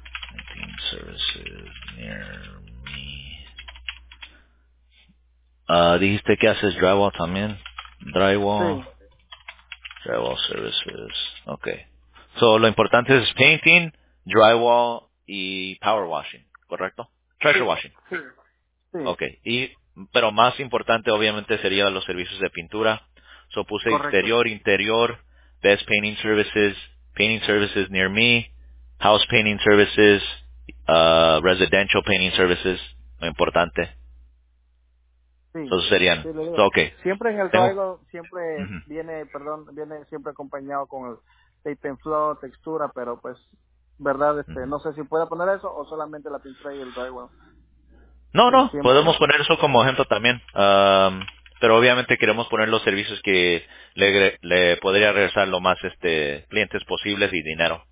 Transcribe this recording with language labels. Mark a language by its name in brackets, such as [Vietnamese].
[English] Painting services near me. [Spanish] Dijiste que haces drywall también. [English] Drywall. [Spanish] Sí. [English] Drywall services. Okay. So, [Spanish] lo importante es [English] painting, drywall y power washing, [Spanish] ¿correcto? [English] Pressure washing. [Spanish] Sí. Sí. [English] Okay. [Spanish] Y, pero más importante, obviamente, sería los servicios de pintura. [English] So, [Spanish] puse correcto. [English] Exterior, interior, best painting services near me, house painting services, residential painting services, [Spanish] lo importante. Sí. Eso serían. Sí, [English] so, okay. [Spanish] Siempre en el drywall, siempre viene siempre acompañado con el [English] tape and flow, [Spanish] textura, pero pues, verdad, no sé si pueda poner eso o solamente la pintura y el drywall. No, no, siempre. Podemos poner eso como ejemplo también, pero obviamente queremos poner los servicios que le podría regresar lo más clientes posibles y dinero.